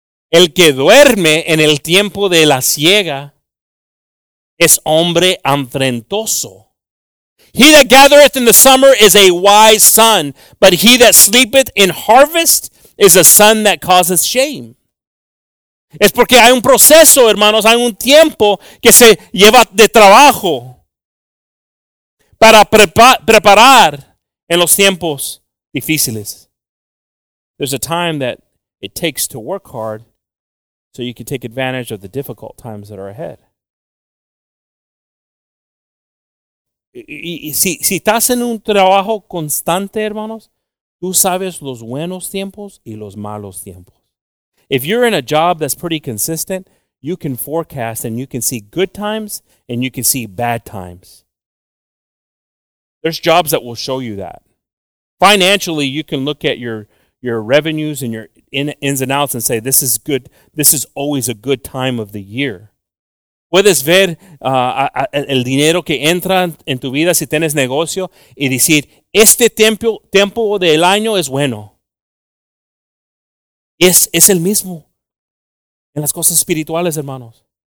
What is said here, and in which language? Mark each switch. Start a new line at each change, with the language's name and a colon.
Spanish: El que duerme en el tiempo de la siega es hombre afrentoso.
English: He that gathereth in the summer is a wise son, but he that sleepeth in harvest is a son that causes shame.
Spanish: Es porque hay un proceso, hermanos, hay un tiempo que se lleva de trabajo para preparar en los tiempos difíciles.
English: There's a time that it takes to work hard so you can take advantage of the difficult times that are ahead.
Spanish: Y si estás en un trabajo constante, hermanos, tú sabes los buenos tiempos y los malos tiempos.
English: If you're in a job that's pretty consistent, you can forecast and you can see good times and you can see bad times. There's jobs that will show you that. Financially, you can look at your revenues and your ins and outs and say, this is good. This is always a good time of the year.
Spanish: Puedes ver el dinero que entra en tu vida si tienes negocio y decir, este tiempo del año es bueno. Es el mismo en las cosas espirituales, hermanos.